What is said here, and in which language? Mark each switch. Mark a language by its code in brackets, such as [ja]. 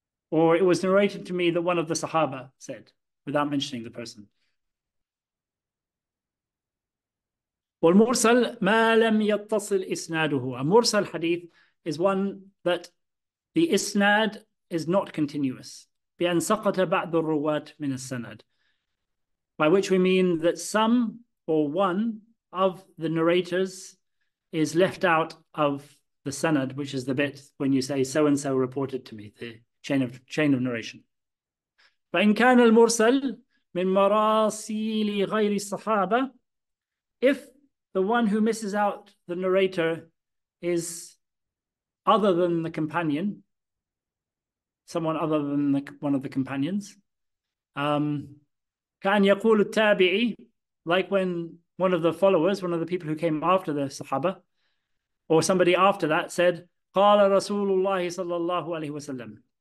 [en] Or it was narrated to me that one of the Sahaba said, without mentioning the person. [ar] وَالْمُرْسَلْ مَا لَمْ يَتَّصِلْ إِسْنَادُهُ. [en] A mursal hadith is one that the isnad is not continuous. [ar] بأن سقط بعض الرواة من السند. [en] By which we mean that some or one of the narrators is left out of the sanad, which is the bit when you say so and so reported to me, the chain of narration. [ar] فإن كان المرسل من مراسيل غير الصحابة, [en] if the one who misses out the narrator is other than the companion, someone other than one of the companions, [ar] كان يقول التابعي, [en] like when one of the followers, one of the people who came after the Sahaba, or somebody after that said, [ar] قال رسول الله صلى الله عليه وسلم.